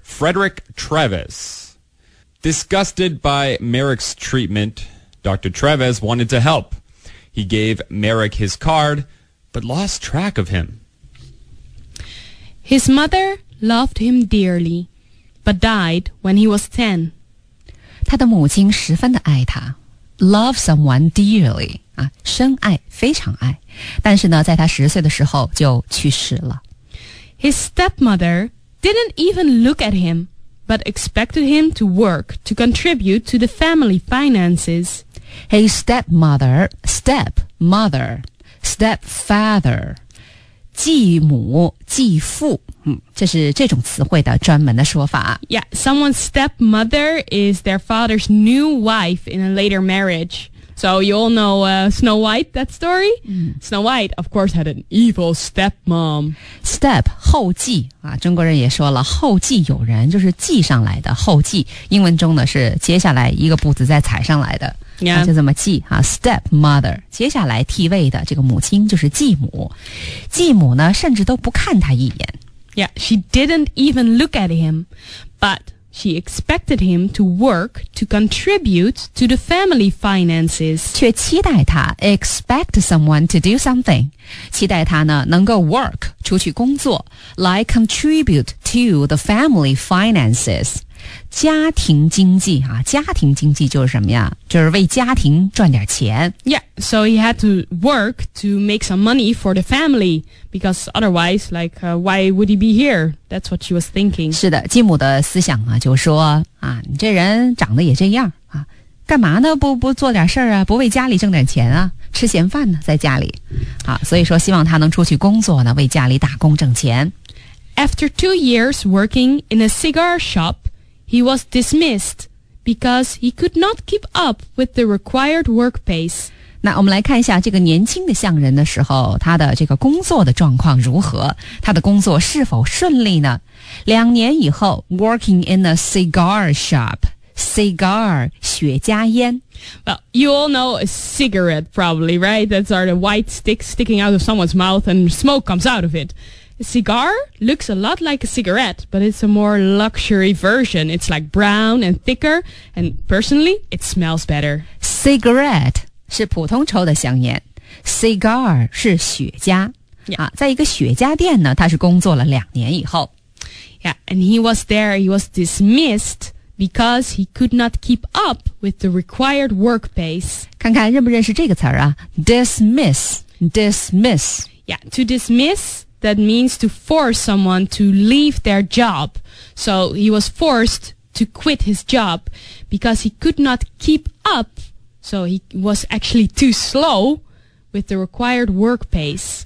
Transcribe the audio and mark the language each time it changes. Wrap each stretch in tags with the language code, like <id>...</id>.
<en>Frederick Treves. Disgusted by Merrick's treatment, Dr. Treves wanted to help. He gave Merrick his card, but lost track of him. His mother loved him dearly, but died when he was 10.</en> <zh>他的母亲十分的爱他。</zh> <en>Love someone dearly.</en> <zh>深爱非常爱但是呢在他十岁的时候就去世了</zh> <en>His stepmother didn't even look at him but expected him to work to contribute to the family finances His stepmother</en> <zh>继母继父、这是这种词汇的专门的说法</zh> <en>Yeah, someone's stepmother is their father's new wife in a later marriageSo you all know、Snow White, that story?、Snow White, of course, had an evil stepmom.</en> <zh>Step, 后继、中国人也说了后继有人就是继上来的后继英文中呢是接下来一个步子再踩上来的、</zh> <en>yeah.</en> <zh>就这么继、stepmother, 接下来替位的这个母亲就是继母。继母呢甚至都不看他一眼。</zh> <en>Yeah, she didn't even look at him, but... She expected him to work to contribute to the family finances.</en> <zh>却期待他</zh> <en>expect someone to do something.</en> <zh>期待他呢能够</zh> <en>work,</en> <zh>出去工作</zh> <en>like contribute to the family finances.</en> <zh>家庭经济啊家庭经济就是什么呀就是为家庭赚点钱。</zh> <en>Yeah, so he had to work to make some money for the family. Because otherwise, like,why would he be here? That's what she was thinking.</en> <zh>是的，继母的思想啊，就说啊，你这人长得也这样啊，干嘛呢？不做点事儿啊，不为家里挣点钱啊，吃闲饭呢，在家里。好，所以说希望他能出去工作呢，为家里打工挣钱。</zh> <en>After 2 years working in a cigar shop, he was dismissed because he could not keep up with the required work pace.</en> <zh>那我们来看一下这个年轻的匠人的时候他的这个工作的状况如何他的工作是否顺利呢两年以后</zh> <en>working in a cigar shop</en> <zh>cigar 雪茄烟</zh> <en>Well, you all know a cigarette probably, right? That's sort of white stick sticking out of someone's mouth and smoke comes out of it A cigar looks a lot like a cigarette but it's a more luxury version It's like brown and thicker and personally, it smells better</en> <zh>Cigarette是普通抽的香烟 ,cigar 是雪茄、</zh> <en>yeah.</en> <zh>在一个雪茄店呢他是工作了两年以后。</zh> <en>Yeah, and he was there, he was dismissed because he could not keep up with the required work pace.</en> <zh>看看认不认识这个词儿啊 ,dismiss, dismiss.</zh> <en>Yeah, to dismiss that means to force someone to leave their job. So he was forced to quit his job because he could not keep up. So he was actually too slow with the required work pace.</en>